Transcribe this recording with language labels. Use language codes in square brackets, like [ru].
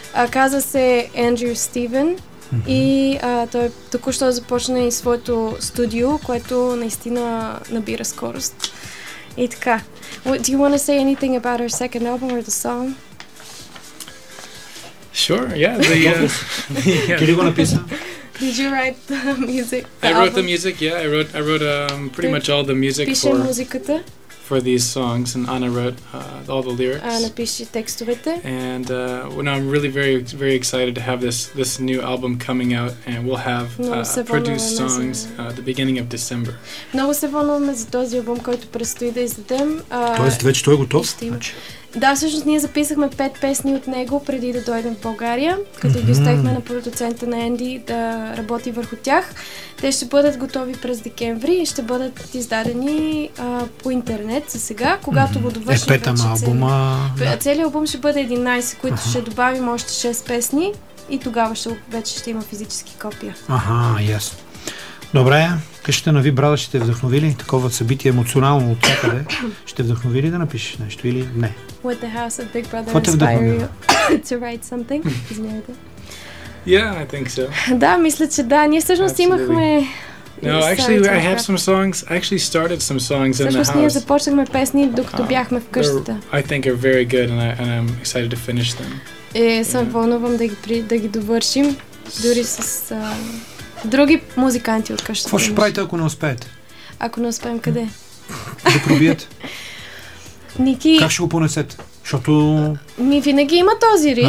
[bg] Казва се Andrew Steven и той току-що започна и своето студио, което наистина набира скорост. И така. [en] Do you want to say anything about our second album or the song? Sure, yeah. Did you write the music? I wrote pretty much all the music for these songs, and Anna wrote all the lyrics. [bg] Anna пише текстовете. [en] And I'm really very, very excited to have this new album coming out, and we'll have produced songs at the beginning of December. [bg] Много се вълнуваме за този албум, който предстои да издадем. Тоест вече той е готов? Да, всъщност ние записахме 5 песни от него преди да дойдем в България, като ги оставихме на продуцента на Енди да работи върху тях. Те ще бъдат готови през декември и ще бъдат издадени по интернет за сега, когато го довършим. Целият албум ще бъде 11, които ще добавим още 6 песни и тогава ще има физически копия. Ага, ясно. Добре, къщата на Ви Брада ще те вдъхнови ли? Такова събитие емоционално от някъде. Ще вдъхнови ли да напишеш нещо или не? [en] With the house of Big Brother inspire you to write something? [bg] Извинявайте. [en] Yeah, I think so. [bg] Да, мисля, че да. Ние всъщност имахме... [en] No, actually, I have some songs. I actually started some songs in the house. [bg] Всъщност ние започнахме песни, докато бяхме в къщата. [en] I think are very good and I'm excited to finish them. [bg] И съм вълнувам да ги довършим. Дори с... други музиканти от къщата. Какво ще правите, ако не успеете? Ако не успеем, къде? Да пробиете. Ники... Как ще го понесете? Защото... Ми винаги има този риск.